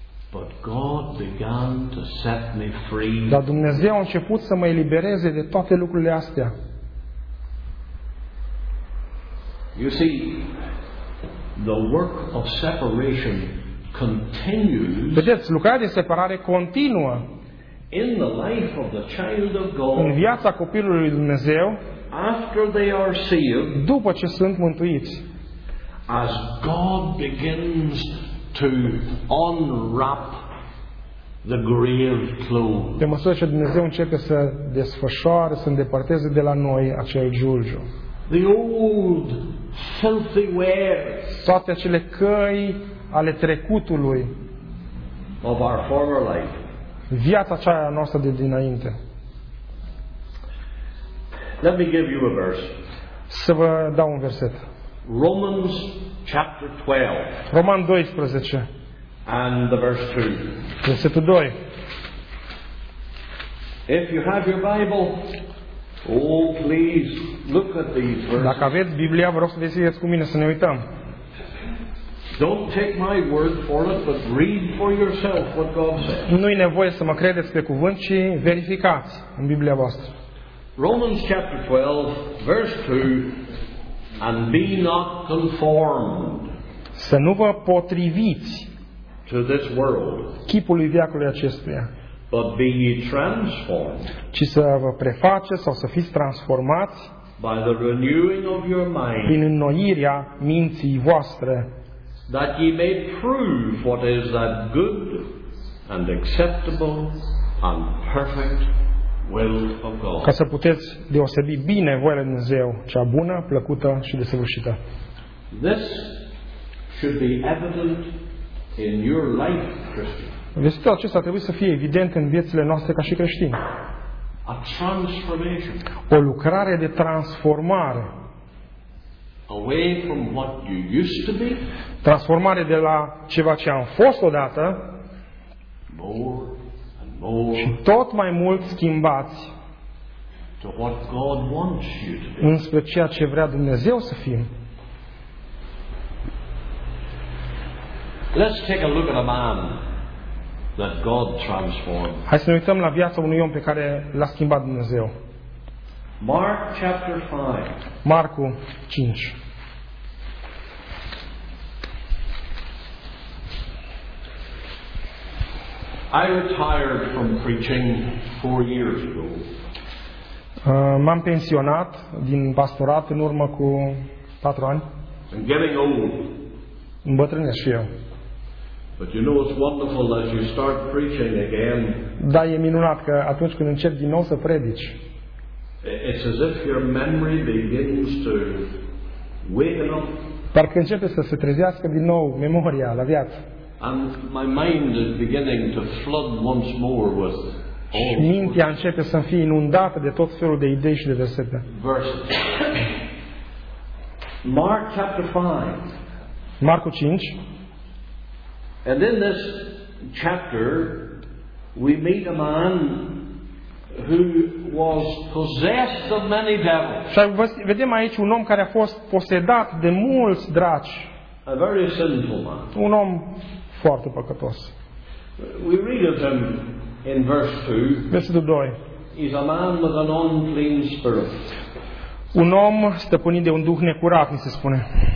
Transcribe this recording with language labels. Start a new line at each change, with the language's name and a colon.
English: But God began to set me free.
Romanian: Dar Dumnezeu a început să mă elibereze de toate lucrurile astea.
English: You see, the work of separation continues.
Romanian: Vedeți, lucrarea de separare continuă.
English: In the life of the child of God.
Romanian: În viața copilului lui Dumnezeu.
English: After they are sealed.
Romanian: După ce sunt mântuiți.
English: As God begins to unwrap the grave clothes.
Romanian: Pe măsură ce Dumnezeu începe să desfășoare, să îndepărteze de la noi acel giulgiu.
English: The old filthy ways.
Romanian: Toate acele căi ale trecutului.
English: Of our former life.
Romanian: Viața aceea noastră de dinainte.
English: Let me give you a verse.
Romanian: Să vă dau un verset.
English: Romans chapter 12.
Romanian: Roman 12.
English: And the verse 2.
Romanian: Versetul 2.
English: If you have your Bible. Oh, please look at these verses.
Romanian: Dacă aveți Biblia, vă rog să deschideți cu mine să ne uităm.
English: Don't take my word for it, but read for yourself what God says.
Romanian: Nu e nevoie să mă credeți pe cuvânt, ci verificați în Biblia voastră.
English: Romans chapter 12, verse 2, and be not conformed.
Romanian: Să nu vă potriviți
English: to this world.
Romanian: Chipului veacului acestuia.
English: But be ye transformed.
Romanian: Ci să vă preface sau să fiți transformați.
English: By the renewing of your mind.
Romanian: Prin înnoirea minții voastre.
English: That ye may prove what is that good and acceptable and perfect will of God.
Romanian: Ca să puteți deosebi bine voia lui Dumnezeu, cea bună, plăcută și desăvârșită.
English: This should be evident in your life, Christian.
Romanian: Vestitul acesta trebuie să fie evident în viețile noastre ca și creștini.
English: A transformation.
Romanian: O lucrare de transformare.
English: Away from what you used to be.
Romanian: Transformare de la ceva ce am fost odată.
English: More and more.
Romanian: Și tot mai mult schimbați.
English: To what God wants you to be.
Romanian: Înspre ceea ce vrea Dumnezeu să fim.
English: Let's take a look at a man. That God transformed.
Romanian: Hai să ne uităm la viața unui om pe care l-a schimbat Dumnezeu.
English: Mark chapter 5.
Romanian: Marcu 5.
English: I retired from preaching 4 years ago.
Romanian: M-am pensionat din pastorat în urmă cu 4 ani.
English: I'm getting old.
Romanian: Îmbătrânesc și eu.
English: But you know it's wonderful as you start preaching again.
Romanian: Da, e minunat că atunci când începi din nou să predici.
English: It's as if your memory begins to wake up.
Romanian: Parcă începe să se trezească din nou memoria la viață.
English: And my mind is beginning to flood once more with.
Romanian: Și mintea începe să fie inundată de tot felul de idei și de versete.
English: Verse. Mark chapter 5.
Romanian: Marcu 5.
English: And in this chapter we meet a man who was possessed of many devils.
Romanian: Și vedem aici un om care a fost posedat de mulți draci.
English: A very sinful man.
Romanian: Un om foarte păcătos.
English: We read of him in verse 2.
Romanian: Versetul 2.
English: He's a man with an unclean spirit.
Romanian: Un om stăpânit de un duh necurat, ni se spune.